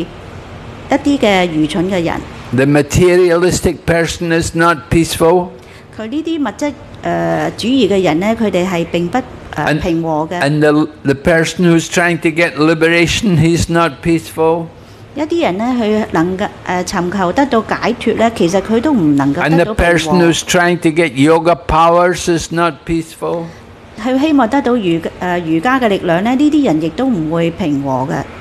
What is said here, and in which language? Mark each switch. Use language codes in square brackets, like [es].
[zh] 所有這些瑜伽師或者果報活動者,全部都是一些愚蠢的人。 [en] The materialistic person is not peaceful. [zh] 他這些物質主義的人,他們是並不平和的。 [en] And the person who's trying to get liberation, he's not peaceful. [zh] 一些人尋求得到解脫,其實他都不能得到平和。 [en] And the person who's trying to get yoga powers is not peaceful. [zh] 他希望得到瑜伽的力量,這些人亦都不會平和的。